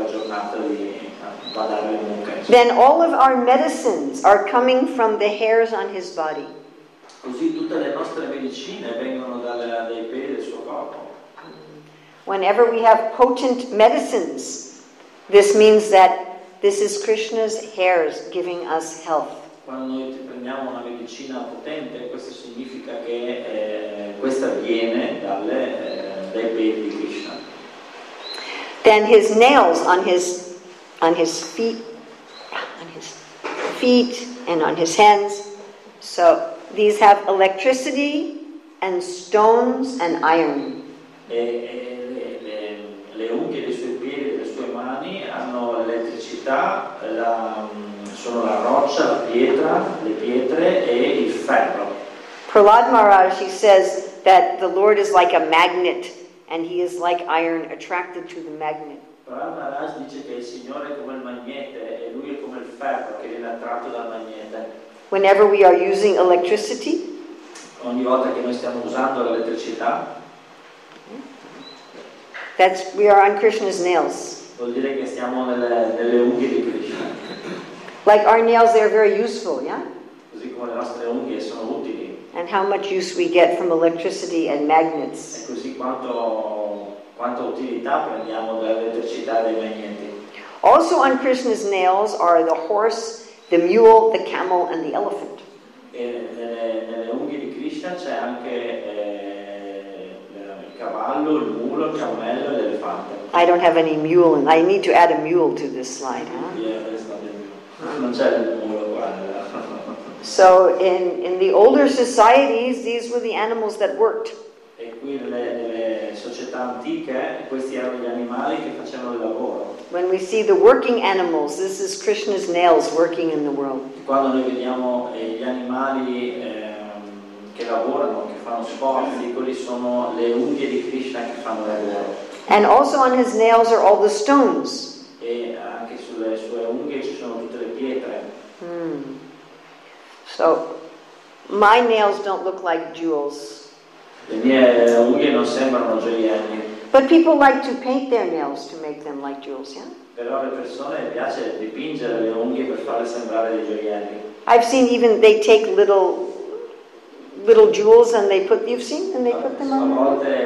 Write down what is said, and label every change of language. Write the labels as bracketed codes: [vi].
[en] Then all of our medicines are coming from the hairs on his body. Whenever we have potent medicines, this means that this is Krishna's hairs giving us health. [it] Quando noi prendiamo una medicina potente, questo significa che questa viene dai peli di Krishna. [en] Then his nails on his feet and on his hands. So these have electricity and stones and iron. [it] Le unghie dei suoi piedi e delle sue mani hanno elettricità, sono la roccia, la pietra, le pietre e il ferro. [en] Prahlad Maharaj, he says that the Lord is like a magnet and he is like iron attracted to the magnet. [it] Prahlad Maharaj dice che il Signore è come il magnete e lui è come il ferro che viene attratto dal magnete. [en] Whenever we are using electricity, [it] ogni volta che noi stiamo usando l'elettricità, [en] that's we are on Krishna's nails. [it] Vuol dire che stiamo nelle unghie di Krishna. [en] Like our nails, they are very useful, yeah? [it] Così come le nostre unghie sono utili. [en] And how much use we get from electricity and magnets. [it] E così quanto utilità prendiamo dall'elettricità dei magneti. [en] Also on Krishna's nails are the horse, the mule, the camel, and the elephant. [it] E nelle unghie di Krishna c'è anche cavallo, il mulo, il cammello e l'elefante. [en] I don't have any mule, and I need to add a mule to this slide. Huh? [it] Non c'è il mulo qua. [en] So in the older societies, these were the animals that worked. [it] E qui nelle società antiche, questi erano gli animali che facevano il lavoro. [en] When we see the working animals, this is Krishna's nails working in the world. [it] Quando noi vediamo gli animali che lavorano, quelli sono le unghie di Krishna che fanno del lavoro. [en] And also on his nails are all the stones. [it] E anche sulle sue unghie ci sono tutte le pietre. [en] So my nails don't look like jewels. [it] Le mie unghie non sembrano gioielli. [en] But people like to paint their nails to make them like jewels, yeah? [it] Però le persone piace dipingere le unghie per farle sembrare dei gioielli. [en] I've seen even they take little jewels and they put, you've seen, and they put them on.